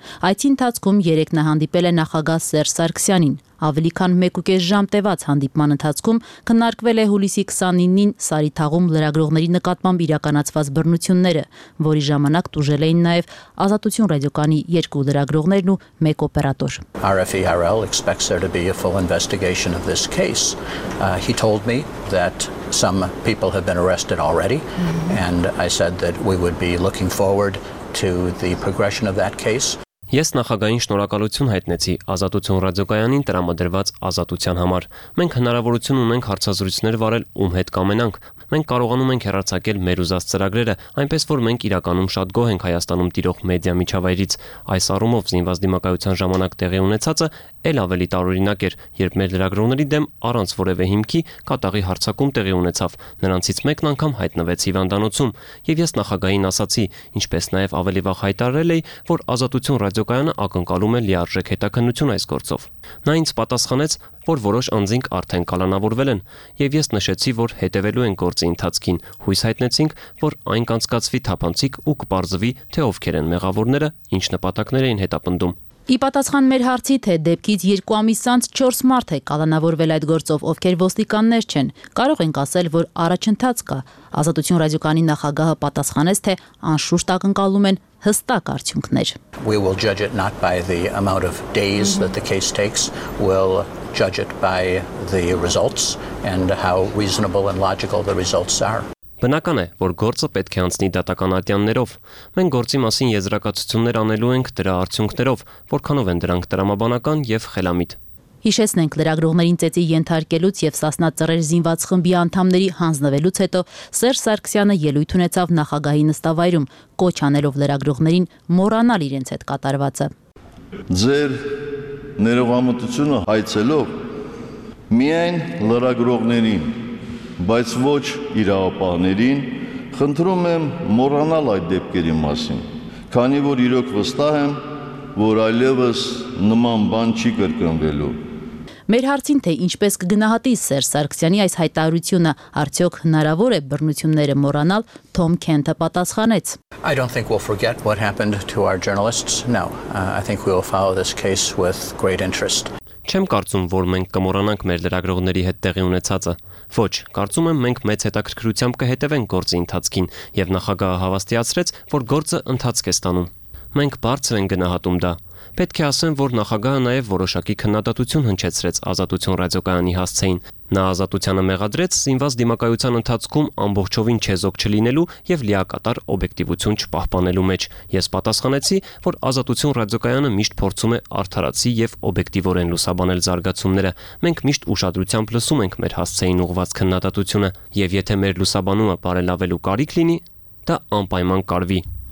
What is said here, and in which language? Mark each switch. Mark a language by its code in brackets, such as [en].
[hy] Այդ ընթացքում երեկն հանդիպել է նախագահ Սերժ Սարգսյանին։ Ավելի քան 1.5 ժամ տևած հանդիպման ընթացքում քննարկվել է հուլիսի 29-ին Սարի թաղում լրագրողների նկատմամբ իրականացված բռնությունները, որի ժամանակ տուժել էին նաև Ազատություն ռադիոկանի երկու լրագրողներն ու մեկ օպերատոր։ [en] RFERL expects there to be a full investigation of this case. He told me that some people have been arrested already and I said that we would be looking forward to the progression of that case. [hy] Ես նախագահային շնորհակալություն հայտնեցի Ազատություն ռադիոկայանին տրամադրված ազատության համար։ Մենք հնարավորություն ունենք հարցազրույցներ վարել ում հետ կամենանք։ Մենք կարողանում ենք հեռարձակել մեր ուզած ծրագրերը, այնպես որ մենք իրականում շատ գոհ ենք Հայաստանում տիրող մեդիա միջավայրից։ Այս առումով զինված դիմակայության ժամանակ տեղի ունեցածը էլ ավելի տարօրինակ էր, երբ մեր լրագրողների դեմ առանց որևէ հիմքի կատաղի հարձակում տեղի ունեցավ, նրանցից մեկն անգամ հայտնվեց հիվանդանոցում, և ես նախագահին ասացի, ինչպես նաև ավելի վաղ հայտարարել էի, որ Ազատություն ռադիոկայանը ակնկալում է լիարժեք հետաքննություն այս գործով։ Նա ինձ պատասխանեց, որ որոշ անձինք արդեն կալանավորվել են, և ես նշեցի, որ հետևելու են գործի ընթացքին, հույս հայտնեցինք, որ այն կանցկացվի թափանցիկ ու կպարզվի, թե ովքեր են մեղավորները, ինչ նպատակներ էին հետապնդում։ Ի պատասխան մեր հարցի, թե դեպքից 2 ամիս անց 4 մարդ է կալանավորվել այդ գործով, ովքեր ոստիկաններ չեն, կարող ենք ասել, որ առաջընթաց կա։ Ազատություն ռադիոկանի նախագահը պատասխանեց, թե անշուշտ ակնկալում են հստակ արդյունքներ։ [en] We will judge it not by the amount of days that the case takes, we'll judge it by the results and how reasonable and logical the results are. [hy] Բնական է, որ գործը պետք է անցնի դատական ատյաններով։ Մենք գործի մասին եզրակացություններ անելու ենք դրա արդյունքներով, որքանով են դրանք տրամաբանական և խելամիտ։ Հիշեցնենք, լրագրողներին ծեցի ենթարկելուց և Սասնա Ծռեր զինված խմբի անդամների հանձնվելուց հետո Սերժ Սարգսյանը ելույթ ունեցավ նախագահի նստավայրում, կոչ անելով լրագրողներին մոռանալ իրենց հետ կատարվածը։ Ձեր ներողամտությունը հայցելով միայն լրագրողներին, բայց ոչ իրավապահներին, խնդրում եմ մոռանալ այդ դեպքերի մասին, քանի որ իրոք վստահ եմ, որ այլևս նման բան չի կրկնվելու։ Մեր հարցին, թե ինչպես կգնահատի Սերժ Սարգսյանի այս հայտարարությունը, արդյոք հնարավոր է բռնությունները մոռանալ, Թոմ Քենթը պատասխանեց. [en] I don't think we'll forget what happened to our journalists. No, I think we will follow this case with great interest. [hy] Չեմ կարծում, որ մենք կմոռանանք մեր լրագրողների հետ տեղի ունեցածը։ Ոչ, կարծում եմ, մենք մեծ հետաքրքրությամբ կհետևենք գործի ընթացքին, և նախագահը հավաստիացրեց, որ գործը ընթացք է ստանում։ Մենք բարձր են գնահատում դա։ Պետք է ասեմ, որ նախագահը նաև որոշակի քննադատություն հնչեցրեց Ազատություն ռադիոկայանի հասցեին։ Նա ազատությանը մեղադրեց զինված դիմակայության ընթացքում ամբողջովին չեզոք չլինելու և լիակատար օբյեկտիվություն չպահպանելու մեջ։ Ես պատասխանեցի, որ Ազատություն ռադիոկայանը միշտ փորձում է արդարացի և օբյեկտիվորեն լուսաբանել զարգացումները։ Մենք միշտ ուշադրությամբ լսում ենք մեր հասցեին ուղված քննադատությունը, և եթե մեր լուսաբանումը բարելավելու կարիք լինի, դա անպայման կարվի։